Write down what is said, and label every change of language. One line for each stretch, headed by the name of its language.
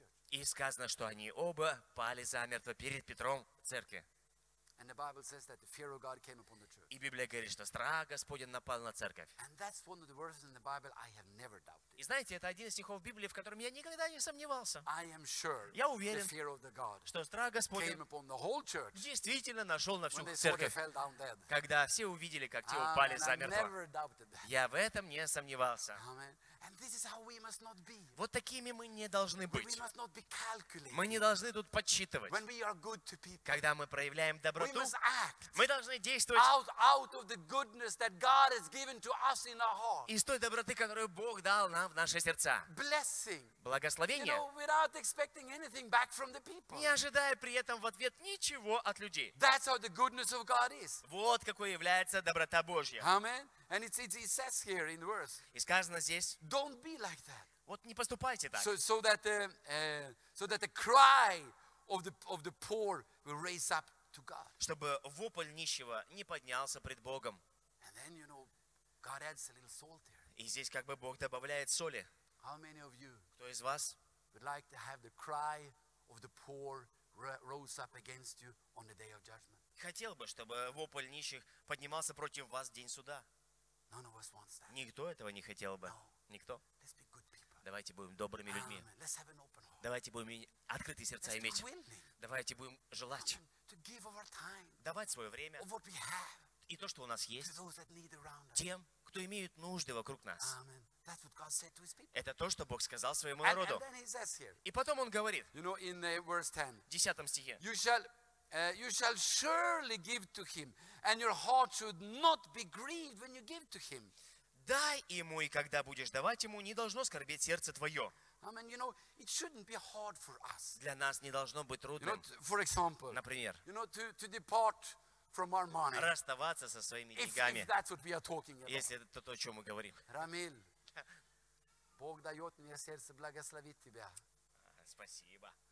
Russian: И сказано, что они оба пали замертво перед Петром в церкви.
English: And the Bible says that the fear of God came upon the church.
Russian: И Библия говорит, что страх Господень напал на церковь.
English: And that's one of the verses in the Bible I have never doubted.
Russian: И знаете, это один из стихов Библии, в котором я никогда не сомневался.
English: I am sure.
Russian: Я уверен,
English: the fear of the God
Russian: что страх Господень
English: came upon the whole church.
Russian: Действительно нашел на всю
English: when
Russian: церковь.
English: They fell down dead.
Russian: Когда все увидели, как те упали замертво.
English: I never doubted that.
Russian: Я в этом не сомневался.
English: Amen. And this is how we must not be.
Russian: Вот такими мы не должны быть.
English: We must not be calculating.
Russian: Мы не должны тут подсчитывать.
English: When we are good to people.
Russian: Когда мы проявляем добро.
English: We must act.
Russian: Мы должны действовать
English: out of the goodness that God has given to us in our heart.
Russian: Из той доброты, которую Бог дал нам в наши сердца.
English: Blessing.
Russian: Благословение.
English: You know, without expecting anything back from the people.
Russian: Не ожидая при этом в ответ ничего от людей.
English: That's how the goodness of God is.
Russian: Вот какой является доброта Божья.
English: Amen. And it says here in the verse.
Russian: И сказано здесь.
English: Don't be like that.
Russian: Вот не поступайте так.
English: So that the cry of the poor will raise up.
Russian: Чтобы вопль нищего не поднялся пред Богом.
English: And then, you know, God adds a little salt here.
Russian: И здесь как бы Бог добавляет соли.
English: How many of you
Russian: кто из вас
English: would like to have the cry of the poor rose up against you on the day of judgment?
Russian: Хотел бы, чтобы вопль нищих поднимался против вас в день суда.
English: None of us wants that.
Russian: Никто этого не хотел бы.
English: No.
Russian: Никто.
English: Let's be good people.
Russian: Давайте будем добрыми людьми.
English: Let's have an open heart.
Russian: Давайте будем открытые сердца
English: Let's
Russian: иметь. Давайте будем желать.
English: I mean, to give our time,
Russian: давать свое время
English: what we have,
Russian: и то, что у нас есть,
English: to those that need around us.
Russian: Тем, кто имеет нужды вокруг нас.
English: Amen. That's what God said to his people.
Russian: Это то, что Бог сказал своему
English: and, And then he says here,
Russian: и потом он говорит,
English: you know, in verse 10,
Russian: в 10 стихе,
English: you shall surely give to him, and your heart should not be grieved when you give to him.
Russian: Дай ему, и когда будешь давать ему, не должно скорбеть сердце твое.
English: I mean, you know, it shouldn't be hard for us.
Russian: Для нас не должно быть трудным.
English: You know, for example,
Russian: например,
English: you know, to depart from our money.
Russian: Расставаться со своими деньгами.
English: If that's what we are talking about.
Russian: Если это то, о чем мы говорим. Рамиль, Бог дает мне сердце благословить тебя. Спасибо.